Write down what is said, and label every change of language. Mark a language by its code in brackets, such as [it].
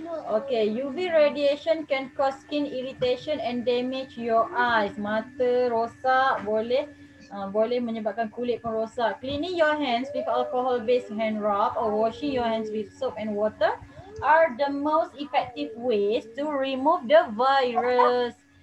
[en] Okay, UV radiation can cause skin irritation and damage your eyes. [ms] Mata rosak, boleh boleh menyebabkan kulit pun rosak. [en] Cleaning your hands with alcohol-based hand rub or washing your hands with soap and water are the most effective ways to remove the virus.